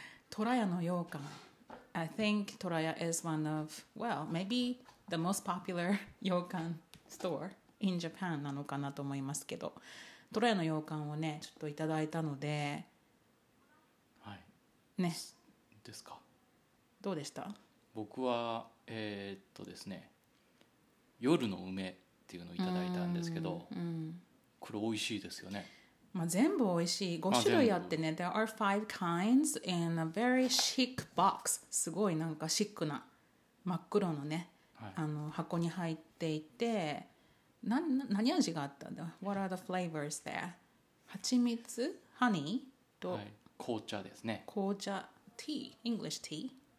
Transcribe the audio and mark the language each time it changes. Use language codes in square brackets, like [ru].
[ja] トラヤの羊羹 [en] I think トラヤ is one of well maybe the most popular 羊羹store in Japan [ja] なのかなと思いますけど、トラヤの羊羹をねちょっといただいたので、はい、ね、ですか。どうでした？僕はですね、夜の梅っていうのをいただいたんですけど、これ美味しいですよね。まあ、全部美味しい。 5種類あってね、 [en] There are five kinds in a very chic box。 [ja] すごいなんかシックな真っ黒のね。はい、箱に入っていて何味があったんだ [en] What are the flavors there? [ja] 蜂蜜ハニーと、はい、紅茶ですね紅茶 tea English tea